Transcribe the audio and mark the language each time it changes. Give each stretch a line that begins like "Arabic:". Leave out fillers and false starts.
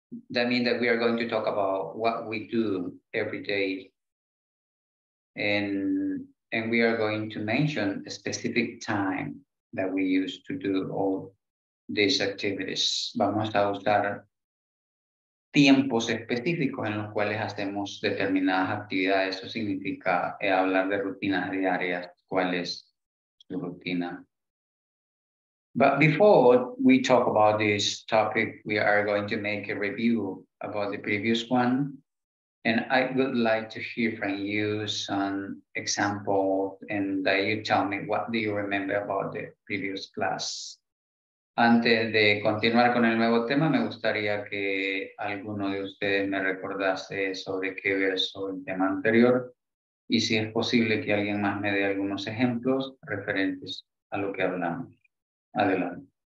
English: That means that we are going to talk about what we do every day. And we are going to mention a specific time that we use to do all these activities.
Spanish: Vamos a usar tiempos específicos en los cuales hacemos determinadas actividades. Eso significa hablar de rutinas diarias, cuál es su rutina.
English: But before we talk about this topic, we are going to make a review about the previous one. And I would like to hear from you some examples and that you tell me what do you remember about the previous class.
Spanish: Antes de continuar con el nuevo tema, me gustaría que alguno de ustedes me recordase sobre qué versó el tema anterior y si es posible que alguien más me dé algunos ejemplos referentes a lo que hablamos. Adelante.